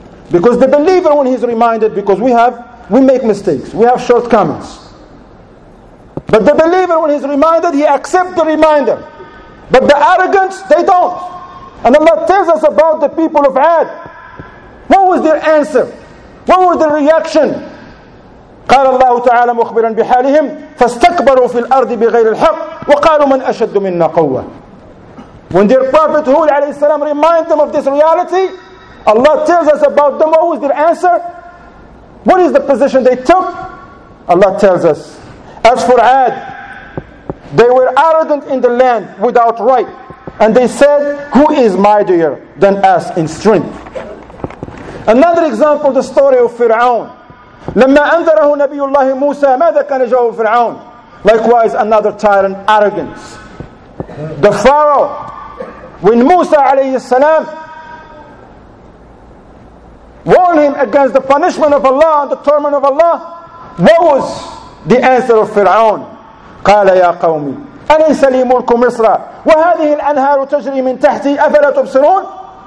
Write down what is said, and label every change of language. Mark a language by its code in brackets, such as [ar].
[en] Because the believer, when he's reminded, because we make mistakes, we have shortcomings. But the believer, when he's reminded, he accepts the reminder. But the arrogant, they don't. And Allah tells us about the people of Ad. What was their answer? What was their reaction? [ar] قال الله تعالى مخبرا بحالهم فاستكبروا في الأرض بغير الحق وقالوا من أشد منا قوة. [en] When their prophet Hud [ar] عليه السلام [en] remind them of this reality, Allah tells us about them. What was their answer? What is the position they took? Allah tells us, as for Ad, they were arrogant in the land without right, and they said, who is mightier than us in strength? Another example, the story of Fir'aun. [ar] لما أنذره نبي الله موسى ماذا كان جواب فرعون. [en] Likewise, another tyrant, arrogance. The Pharaoh, when Musa [ar] عليه السلام [en] warned him against the punishment of Allah and the torment of Allah, what was the answer of فرعون؟ [ar] قال يا قومي أليس لي ملك مصر وهذه الأنهار تجري من تحتي أفلا تبصرون.